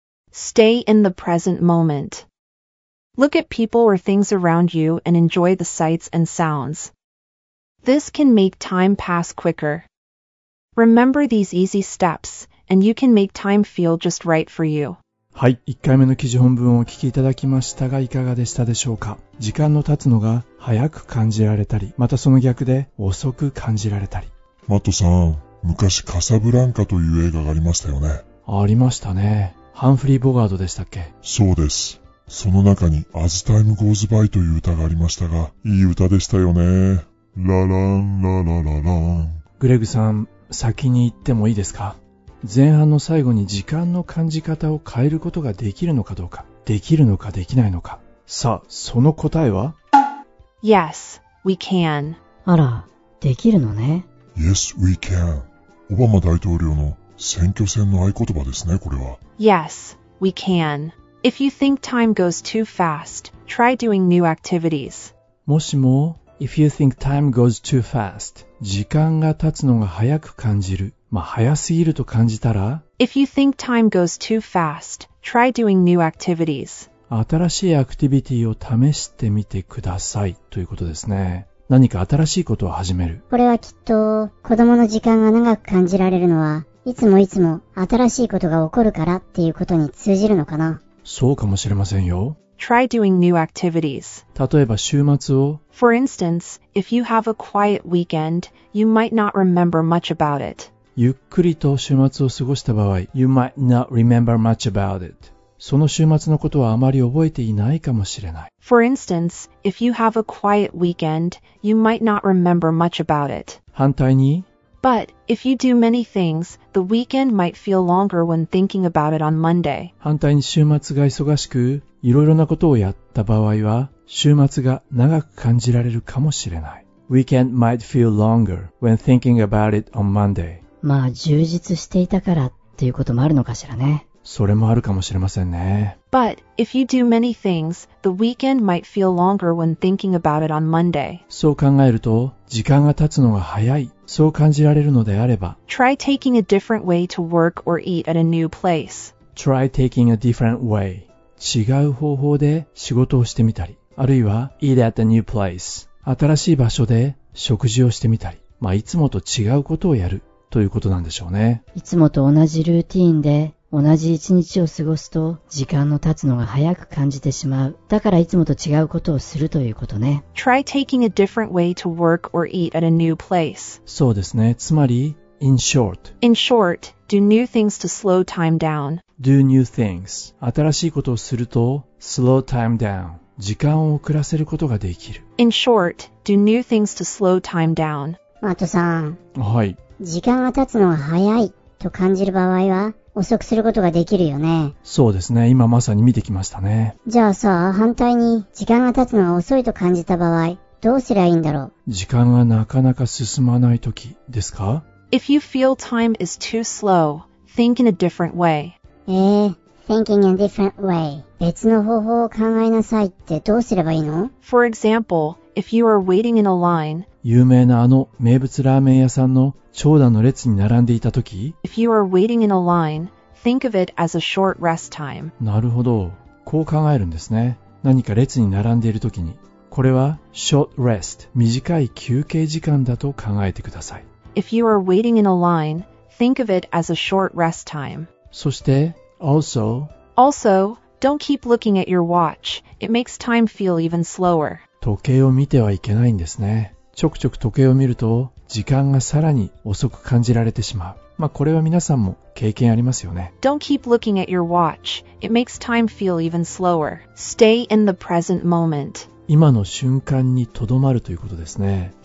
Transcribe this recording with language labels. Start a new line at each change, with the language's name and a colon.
English: Stay in the present moment. Look at people or things around you and enjoy the sights and sounds. This can make time pass quicker. Remember these easy steps, and you can make time feel just right for you.
Japanese: はい、1回目の記事本文をお聞きいただきましたが、いかがでしたでしょうか。時間の経つのが早く感じられたり、またその逆で遅く感じられたり。マットさん、昔カサブランカという映画がありましたよね。ありましたね。ハンフリー・ボガードでしたっけ。そうです。その中にアズタイムゴーズバイという歌がありましたが、いい歌でしたよね。ラランラララララ。グレグさん、先に言ってもいいですか。前半の最後に時間の感じ方を変えることができるのかどうか、できるのかできないのか。さあ、その答えは
English: Yes, we can.
Japanese: あら、できるのね。
English: Yes, we can.
Japanese: オバマ大統領の選挙戦の合言葉ですね、これは。
English: Yes, we can. If you think time goes too fast, try doing new activities.
Japanese: もしも、
English: if you think time goes too fast,
Japanese: 時間が経つのが早く感じる。まあ、早すぎると感じたら、
English: If you think time goes too fast, try doing new activities.
Japanese: 新しいアクティビティを試してみてください、ということですね。何か新しいことを始める。これはきっと子供の時間が長く感じられるのは、いつもいつも新しいことが起こるからっていうことに通じるのかな。そうかもしれませんよ。
English: Try doing new activities.
Japanese: 例えば週末を
English: For instance, if you have a quiet weekend, you might not remember much about it.
Japanese: ゆっくりと週末を過ごした場合、
English: You might not remember much about it.
Japanese: その週末のことはあまり覚えていないかもしれない。
English: For instance, if you have a quiet weekend, you might not remember much about it.
Japanese: 反対に、
English: But if you do many things, the weekend might feel longer when thinking about it on Monday.
Japanese: 反対に週末が忙しく、いろいろなことをやった場合は、週末が長く感じられるかもしれない。
English: Weekend might feel longer when thinking about it on Monday.
Japanese: まあ、充実していたからっていうこともあるのかしらね。それもあるかもしれませんね。
English: But if you do many things, the weekend might feel longer when thinking about it on Monday.
Japanese: そう考えると、時間が経つのが早い。そう感じられるのであれば、
English: Try taking a different way to work or eat at a new place. Try taking a different way.
Japanese: 違う方法で仕事をしてみたり、あるいは
English: eat at a new place.
Japanese: 新しい場所で食事をしてみたり、まあいつもと違うことをやるということなんでしょうね。いつもと同じルーティーンで、同じ一日を過ごすと時間の経つのが早く感じてしまう。だからいつもと違うことをするということね。
English: Try taking a different way to work or eat at a new place.
Japanese: そうですね。つまり、
English: in short. In short, do new things to slow time down. Do new things.
Japanese: 新しいことをすると、
English: slow time down.
Japanese: 時間を遅らせることができる。
English: In short, do new things to slow time down.
Japanese: マトさん。はい。時間が経つのが早いと感じる場合は、遅くすることができるよね。そうですね。今まさに見てきましたね。じゃあさ、反対に時間が経つのが遅いと感じた場合、どうすればいいんだろう。時間がなかなか進まないときですか。
English: If you feel time is too slow, think in a different way. Thinking a different way.
Japanese: 別の方法を考えなさいってどうすればいいの。
English: For example, if you are waiting in a line,
Japanese: 有名なあの名物ラーメン屋さんの長蛇の列に並んでいたとき、
English: If you are waiting in a line, think of it as a short rest time.
Japanese: なるほど。こう考えるんですね。何か列に並んでいるときに。これは
English: short rest、
Japanese: 短い休憩時間だと考えてください。
English: If you are waiting in a line, think of it as a short rest time.
Japanese: そして
English: Also, also, don't keep looking at your watch. It makes time feel even slower.
Japanese: 時計を見てはいけないんですね。ちょくちょく時計を見ると時間がさらに遅く感じられてしまう。まあこれは皆さんも経験ありますよね。
English: Don't keep looking at your watch. It makes time feel even slower. Stay in the present moment.
Japanese: 今の瞬間にとどまるということですね。